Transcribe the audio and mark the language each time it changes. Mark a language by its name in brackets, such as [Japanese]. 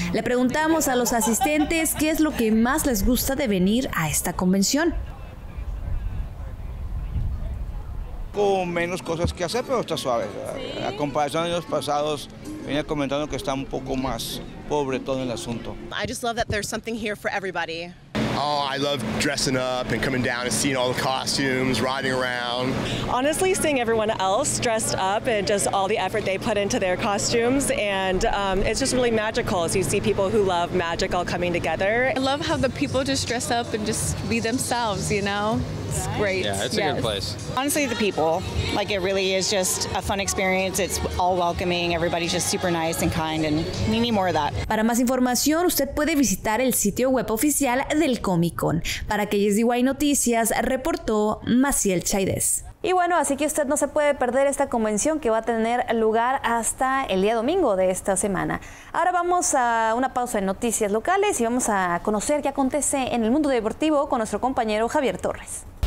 [Spanish] Le preguntamos a los asistentes qué es lo que más les gusta de venir a esta convención. Con menos cosas que hacer, pero está suave. A comparación de los pasados, venía comentando que está un poco más pobre todo el asunto. [English] I just love that there's something here for everybody. Oh, I love dressing up and coming down and seeing all the costumes, riding around. Honestly, seeing everyone else dressed up and just all the effort they put into their costumes, and it's just really magical. So you see people who love magic all coming together. I love how the people just dress up and just be themselves, you know? It's great. Yeah, it's a good place. Honestly, the people. Like, it really is just a fun experience. It's all welcoming. Everybody's just super nice and kind, and we need more of that. [Spanish] Para más información, usted puede visitar el sitio web oficial del Comic-Con. Para KSDY Noticias, reportó Maciel Chaides. Y bueno, así que usted no se puede perder esta convención que va a tener lugar hasta el día domingo de esta semana. Ahora vamos a una pausa en noticias locales y vamos a conocer qué acontece en el mundo deportivo con nuestro compañero Javier Torres.